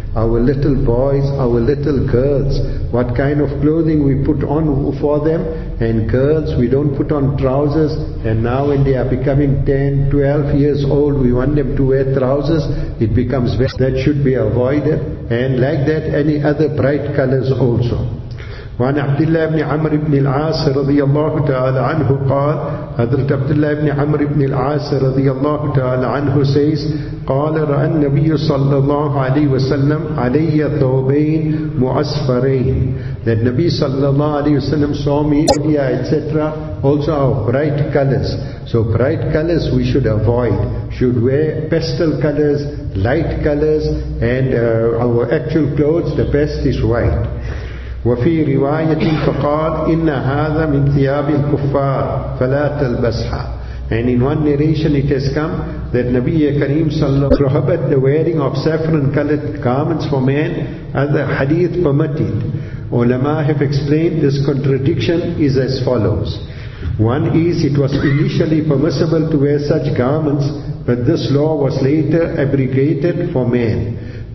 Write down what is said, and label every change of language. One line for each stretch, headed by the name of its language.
English: Our little boys, our little girls, what kind of clothing we put on for them. And girls, we don't put on trousers. And now when they are becoming 10, 12 years old, we want them to wear trousers. It becomes very, that should be avoided. And like that, any other bright colors also.
Arabic: وعن عبد الله بن عمرو بن العاص رضي الله تعالى عنه قال حضرت عبد الله بن عمرو بن العاص رضي الله تعالى عنه says قال راى النبي صلى الله عليه وسلم علي ثوبين مؤسفرين.
English: That Nabi
Arabic: صلى الله عليه وسلم
English: saw me, yeah, etc. Also our bright colors. So bright colors we should avoid. Should wear pastel colors, light colors, and our actual clothes, the best is white.
Arabic: وفي رواية فقال إن هذا من ثياب الكفار فلا تلبسها.
English: And in one narration it has come that Nabi Kareem sallallahu alayhi wa sallam prohibit the wearing of saffron colored garments for men, as the hadith permitted. Ulama have explained this contradiction is as follows. One is, it was initially permissible to wear such garments, but this law was later abrogated for men.